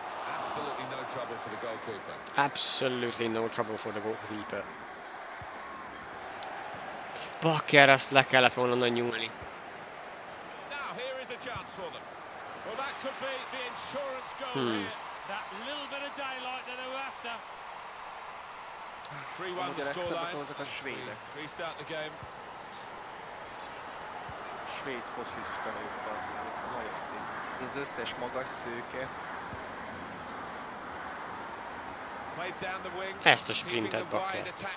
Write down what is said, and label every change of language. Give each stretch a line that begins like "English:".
English: Absolutely no trouble for the goalkeeper. Absolutely no trouble for the goalkeeper.
Hungarian: Bakker, ezt le kellett volna nyúlni.
English: Now here is a chance for them. Well, that could be the insurance goal here. That little bit of daylight that they were after. 3-1 the scoreline. Restart the game.
Hungarian: Svéd focista, nagyon szép. Az összes magas szőke. Ezt a sprintet, Bakker.